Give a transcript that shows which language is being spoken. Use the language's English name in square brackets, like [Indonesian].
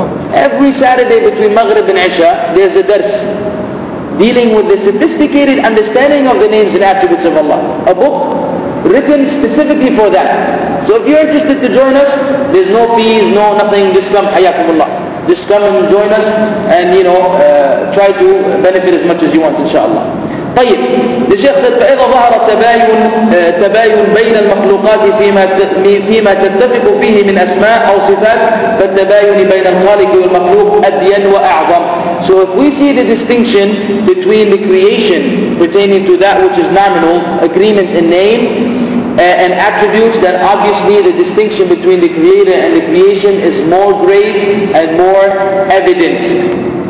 [English] Every Saturday between Maghrib and Isha, there's a dars dealing with the sophisticated understanding of the names and attributes of Allah. A book written specifically for that. So if you're interested to join us, there's no fees, no nothing, just come, hayakumullah. Just come and join us and, you know, try to benefit as much as you want, inshallah. [Arabic] طيب الشيخ said فإذا ظهر تباين بين المخلوقات فيما تتفق فيه من أسماء أو صفات فالتباين بين الخالق والمخلوق أدين وأعظم. [English] So if we see the distinction between the creation pertaining to that which is nominal, agreement in name and attributes, then obviously the distinction between the creator and the creation is more great and more evident.